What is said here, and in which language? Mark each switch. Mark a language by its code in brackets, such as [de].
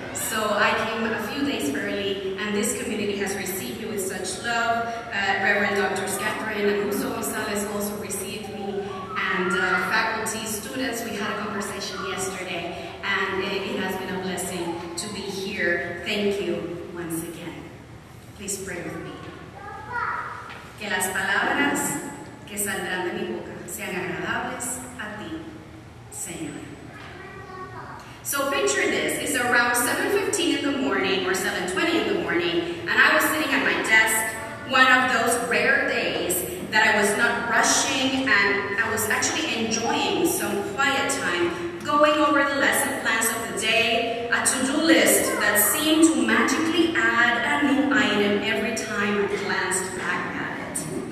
[en] So I came a few days early, and this community has received me with such love. Reverend Dr. Catherine and Uso Gonzalez also received me, and faculty, students, we had a conversation yesterday, and it has been a blessing to be here. Thank you once again. Please pray with me. [es] Que las palabras que saldrán de mi boca sean agradables a ti, Señor. [en] So picture this, it's around 7:15 in the morning or 7:20 in the morning, and I was sitting at my desk, one of those rare days that I was not rushing and I was actually enjoying some quiet time, going over the lesson plans of the day, a to-do list that seemed to magically add a new item every time I glanced back at it.